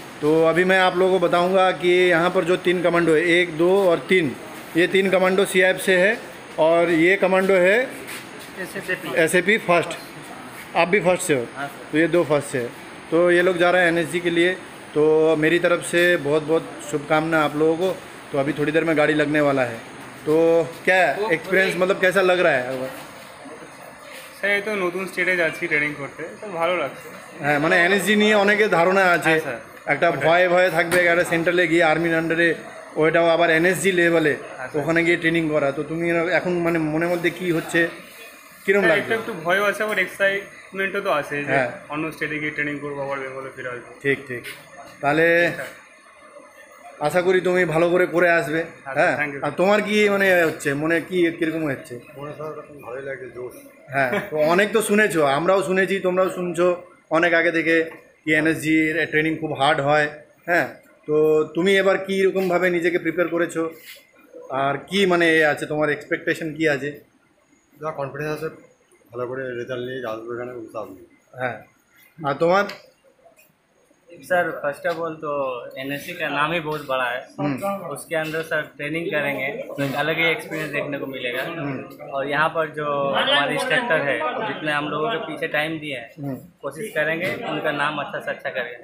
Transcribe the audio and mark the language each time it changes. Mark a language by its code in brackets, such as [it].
[hi] तो अभी मैं आप लोगों को बताऊंगा कि यहाँ पर जो तीन कमांडो है, एक दो और तीन, ये तीन कमांडो सीआईएफ से है और ये कमांडो है एसएपी फर्स्ट। आप भी फर्स्ट से हो, तो ये दो फर्स्ट से है। तो ये लोग जा रहे हैं एनएससी के लिए। तो मेरी तरफ से बहुत बहुत शुभकामना आप लोगों को। तो अभी थोड़ी देर में गाड़ी लगने वाला है। तो क्या एक्सपीरियंस, मतलब कैसा लग रहा है? [bn] হ্যাঁ, এই তো নতুন স্টেটে যাচ্ছি ট্রেনিং করতে, তো ভালো লাগছে। হ্যাঁ, মানে এনএসজি নিয়ে অনেকে ধারণা আছে, একটা ভয়ে ভয়ে থাকবে, একটা সেন্ট্রালে গিয়ে আর্মির আন্ডারে, ওইটাও আবার এনএসজি লেভেলে, ওখানে গিয়ে ট্রেনিং করা। তো তুমি এখন মানে মনে মধ্যে কি হচ্ছে, কিরকম লাগছে? একটা একটু ভয়ও আছে, আবার এক্সাইটমেন্টও তো আছে যে অন্য স্টেটে গিয়ে ট্রেনিং করবো, আবার বেঙ্গলে ফিরে আসবো। ঠিক ঠিক, তাহলে আশা করি তুমি ভালো করে করে আসবে। হ্যাঁ, আর তোমার কি মানে হচ্ছে, মনে কি কিরকম হচ্ছে? মনে স্যার ভালোই লাগে, জোশ। হ্যাঁ, তো অনেক তো শুনেছো, আমরাও শুনেছি, তোমরাও শুনছো অনেক আগে থেকে কি এনএসজি ট্রেনিং খুব হার্ড হয়। হ্যাঁ, তো তুমি এবার কি রকমভাবে নিজেকে প্রিপেয়ার করেছো আর কি, মানে এ আছে তোমার এক্সপেকটেশন কি আছে? যা কনফিডেন্স আছে, ভালো করে রেজাল্ট নিয়ে আসবে এখানে, উৎসাহ আসবে। হ্যাঁ, আর তোমার [hi] सर फर्स्ट ऑफ ऑल तो एनएससी का नाम ही बहुत बड़ा है, उसके अंदर सर ट्रेनिंग करेंगे, अलग ही एक्सपीरियंस देखने को मिलेगा। और यहाँ पर जो हमारे इंस्ट्रक्टर है, जितने हम लोगों को पीछे टाइम दिए हैं, कोशिश करेंगे उनका नाम अच्छा से अच्छा करें।